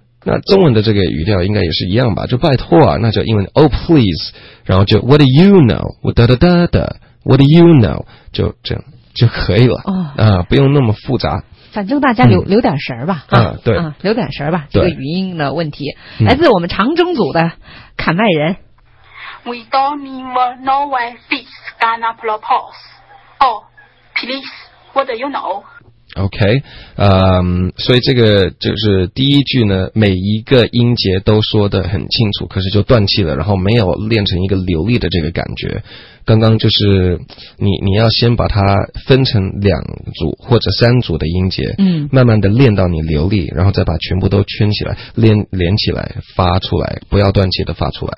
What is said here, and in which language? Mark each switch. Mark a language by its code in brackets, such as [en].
[zh] 那中文的这个语调应该也是一样吧，就拜托啊，那就英文 [en] Oh please， [zh] 然后就 [en] What do you know， [zh] 我哒哒哒哒 What do you know， 就这样就可以了，不用那么复杂，反正大家留点神吧。对，留点神吧，这个语音的问题。来自我们长征组的砍麦人。 [en] We don't even know why this gonna propose. Oh please, what do you know? [zh] OK, 所以这个就是第一句呢，每一个音节都说得很清楚，可是就断气了，然后没有练成一个流利的这个感觉。刚刚就是你要先把它分成两组或者三组的音节，慢慢的练到你流利，然后再把全部都圈起来，连起来发出来，不要断气的发出来。